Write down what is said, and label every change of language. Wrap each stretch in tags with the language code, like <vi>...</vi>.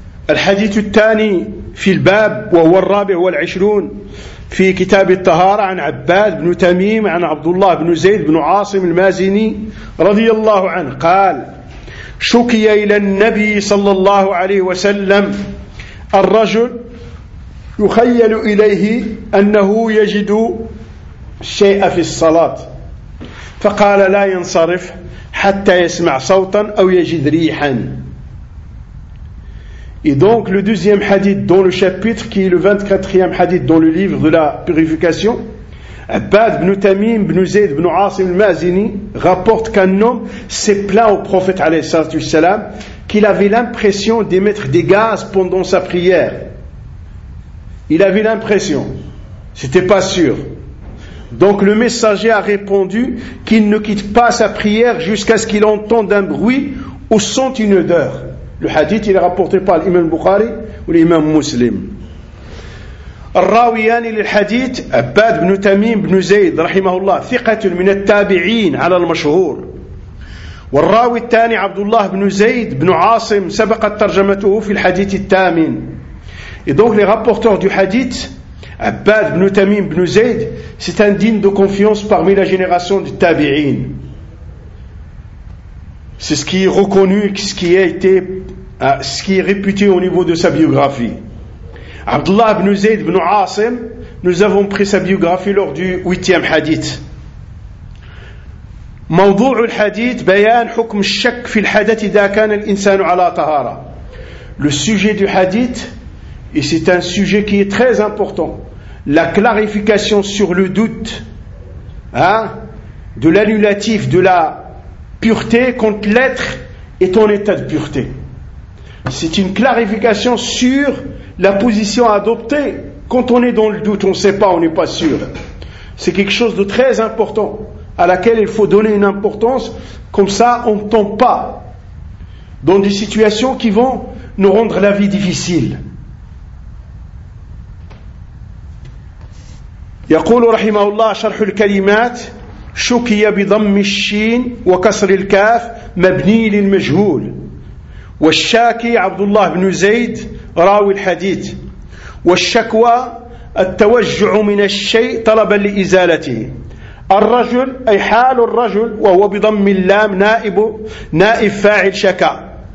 <ar>الحديث الثاني في الباب وهو الرابع والعشرون في كتاب الطهارة عن عباد بن تميم عن عبد الله بن زيد بن عاصم المازني رضي الله عنه قال شكي إلى النبي صلى الله عليه وسلم الرجل يخيل إليه أنه يجد شيئا في الصلاة فقال لا ينصرف حتى يسمع صوتا أو يجد ريحا.</ar> <fr>Et donc le deuxième hadith dans le chapitre, qui est le 24e hadith dans le livre de la purification, Abbad ibn Tamim ibn Zayd ibn Asim al-Mazini rapporte qu'un homme s'est plaint au prophète alayhi salam qu'il avait l'impression d'émettre des gaz pendant sa prière. Il avait l'impression, c'était pas sûr. Donc le messager a répondu qu'il ne quitte pas sa prière jusqu'à ce qu'il entende un bruit ou sente une odeur. Le hadith il est rapporté par l'imam Bukhari ou l'imam Muslim.</fr> <ar>الراويان للحديث عباد بن تميم بن زيد رحمه الله ثقة من التابعين على المشهور. والراوي الثاني عبد الله بن زيد بن عاصم سبقت ترجمته في الحديث الثامن.</ar> <fr>Et donc les rapporteurs du hadith عباد بن تميم بن زيد, c'est un digne de confiance parmi la génération des tabi'in. C'est ce qui est reconnu, ce qui est réputé au niveau de sa biographie. Abdullah ibn Zayd ibn Asim, nous avons pris sa biographie lors du 8e hadith.</fr> <ar>موضوع الحديث بيان حكم الشك في الحدث إذا كان الإنسان على طهارة.</ar> <fr>Le sujet du hadith, et c'est un sujet qui est très important, la clarification sur le doute, hein, de l'annulatif de la pureté quand l'être est en état de pureté. C'est une clarification sur la position adoptée quand on est dans le doute, on ne sait pas, on n'est pas sûr. C'est quelque chose de très important, à laquelle il faut donner une importance, comme ça on ne tombe pas dans des situations qui vont nous rendre la vie difficile.</fr> <ar>يقول رحمه الله شرح الكلمات شكي بضم الشين وكسر الكاف مبني للمجهول والشاكي عبد الله بن زيد راوي الحديث والشكوى التوجع من الشيء طلبا لإزالته الرجل أي حال الرجل وهو بضم اللام نائب فاعل شكا</ar>